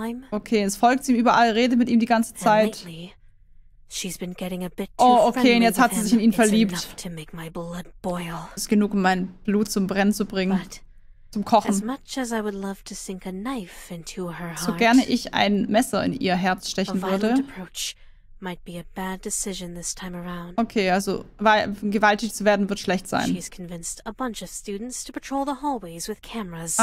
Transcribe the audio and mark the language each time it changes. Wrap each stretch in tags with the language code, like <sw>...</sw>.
<de>Okay, es folgt ihm überall, redet mit ihm die ganze Zeit.</de> <en>She's been getting a bit</en> <de>oh, okay, und jetzt hat sie sich in ihn verliebt. Es ist genug, um mein Blut zum Brennen zu bringen.</de> <en>But</en> <de>zum Kochen.</de> <en>As much as I would love to sink a knife into her heart,</en> <de>so gerne ich ein Messer in ihr Herz stechen würde.</de> <en>Might be a bad decision this time around.</en> <de>Okay, also gewaltig zu werden wird schlecht sein.</de> <en>She's convinced a bunch of students to patrol the hallways with cameras.</en>